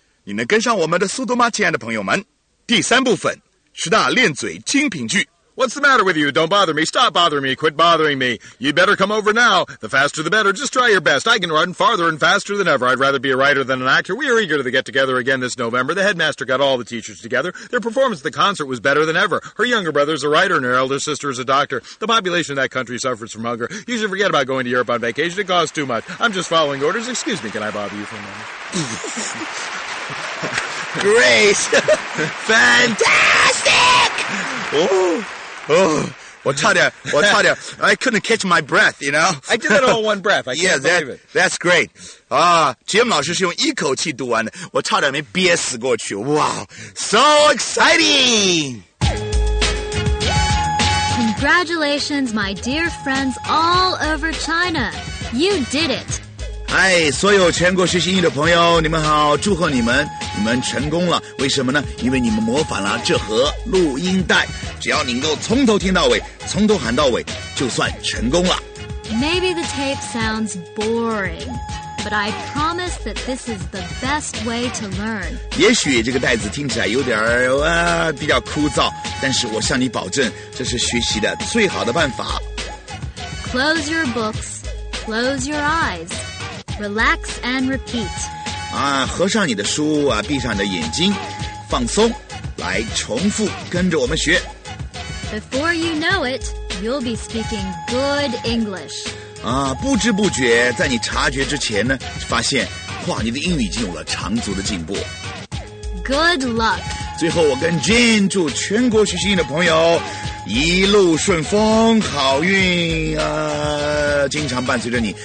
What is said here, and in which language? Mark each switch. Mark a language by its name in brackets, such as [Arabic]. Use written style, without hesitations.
[Chinese] 你能跟上我们的速度吗，亲爱的朋友们？第三部分，十大练嘴精品句。 [English] What's the matter with you? Don't bother me. Stop bothering me. Quit bothering me. You better come over now. The faster the better. Just try your best. I can run farther and faster than ever. I'd rather be a writer than an actor. We are eager to get together again this November. The headmaster got all the teachers together. Their performance at the concert was better than ever. Her younger brother is a writer and her elder sister is a doctor. The population of that country suffers from hunger. You should forget about going to Europe on vacation. It costs too much. I'm just following orders. Excuse me, can I bother you for a moment? Great! Fantastic! Oh! [Chinese] 我差点 [English] I couldn't catch my breath, you know? I did it all in one breath, I can't believe it. That's great. [Chinese] Jim 老师是用一口气读完的，我差点没憋死过去。 [English] Wow, so exciting! Congratulations, my dear friends all over China. You did it! [Chinese] 嗨，所有全国学习英语的朋友，你们好，祝贺你们，你们成功了。为什么呢？因为你们模仿了这盒录音带。只要你能够从头听到尾，从头喊到尾，就算成功了。 [English] Maybe the tape sounds boring, but I promise that this is the best way to learn. [Chinese] 也许这个袋子听起来有点比较枯燥，但是我向你保证，这是学习的最好的办法。 [English] Close your books, close your eyes, relax and repeat. [Chinese] 啊，合上你的书啊，闭上你的眼睛，放松，来重复，跟着我们学。 [English] Before you know it, you'll be speaking good English. [Chinese] 啊，不知不觉，在你察觉之前呢，发现，哇，你的英语已经有了长足的进步。 [English] Good luck. [Chinese] 最后，我跟 Jean 祝全国学习英语的朋友一路顺风，好运啊，经常伴随着你。